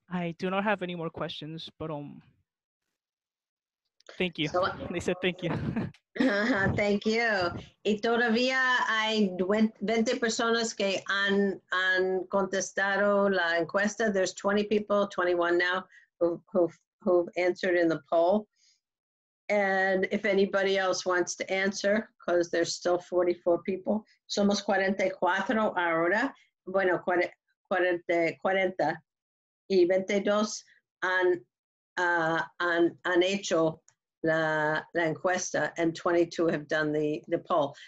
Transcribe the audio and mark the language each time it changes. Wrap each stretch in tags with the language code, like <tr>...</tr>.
<en>I do not have any more questions, but thank you. They said thank you. Thank you.</en> <es>Y todavía hay 20 personas que han contestado la encuesta.</es> <en>There's 20 people, 21 now, who've answered in the poll. And if anybody else wants to answer, because there's still 44 people.</en> <es>Somos 44 ahora. Bueno, 40 y 22 han hecho la encuesta,</es> <en>and 22 have done the poll.</en>